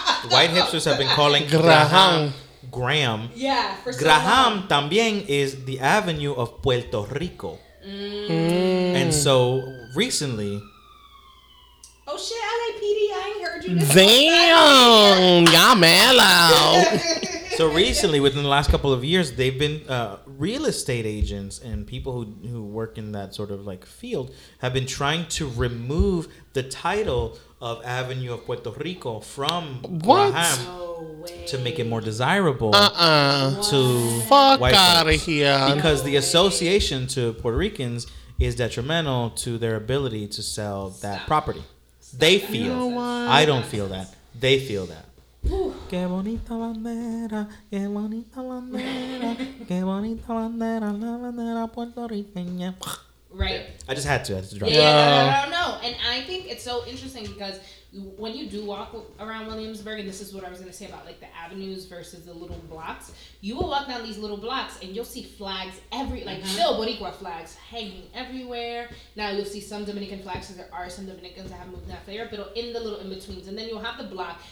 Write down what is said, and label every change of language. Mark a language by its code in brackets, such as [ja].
[en] White hipsters have been calling Graham. Graham. Yeah, for Graham so también is the avenue of Puerto Rico. And so recently. Oh shit, LAPD, I ain't heard you. Damn! Y'all mellow. So recently, within the last couple of years, they've been real estate agents and people who work in that sort of like field have been trying to remove the title of Avenue of Puerto Rico from Graham to make it more desirable to white folks. Fuck out of here. Because the association to Puerto Ricans is detrimental to their ability to sell that property. They feel I don't feel that. They feel that. [es] Que bonita bandera, que bonita bandera, que bonita bandera, la bandera puertorriqueña. [en] Right. I just had to. Yeah, I don't know. And I think it's so interesting because when you do walk around Williamsburg, and this is what I was going to say about like the avenues versus the little blocks, you will walk down these little blocks and you'll see flags still Boricua flags hanging everywhere. Now you'll see some Dominican flags because there are some Dominicans that have moved that there, but in the little in-betweens. And then you'll have the block.